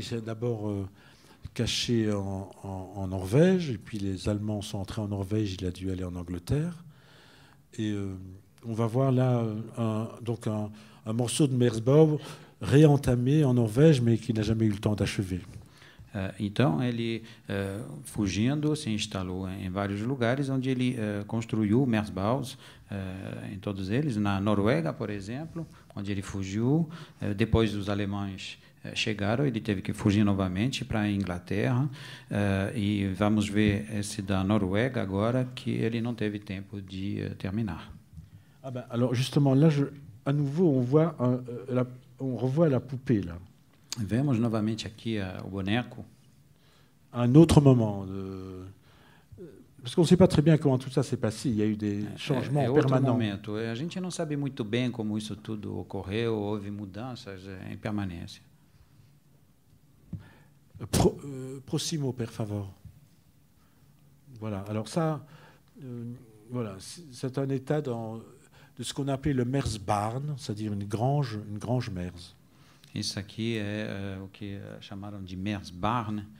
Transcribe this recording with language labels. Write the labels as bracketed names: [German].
[French] Il s'est d'abord caché en Norvège, et puis les Allemands sont entrés en Norvège, il a dû aller en Angleterre. Et on va voir là un morceau de Merzbow réentamé en Norvège, mais qui n'a jamais eu le temps d'achever. [Portuguese] Então, ele, fugindo, se instalou em vários lugares onde ele construiu Merzbaus, em todos eles, na Noruega, por exemplo, onde ele fugiu. Depois os alemães chegaram, ele teve que fugir novamente para a Inglaterra. E vamos ver esse da Noruega agora, que ele não teve tempo de terminar. [French] Ah, ben, alors, justement, là, à nouveau, on revoit la poupée, là. [Portuguese] Vemos novamente aqui o boneco. [French] Un autre moment. Parce qu'on ne sait pas très bien comment tout ça s'est passé. Il y a eu des changements permanents. [Portuguese] A gente não sabe muito bem como isso tudo ocorreu. Houve mudanças em permanência. [Italian] Prossimo, per favor. [French] Voilà. Alors ça, voilà. C'est un état de ce qu'on appelait le Merzbarn, c'est-à-dire une grange Merz. [Portuguese] Isso aqui é o que chamaram de Merzbarn.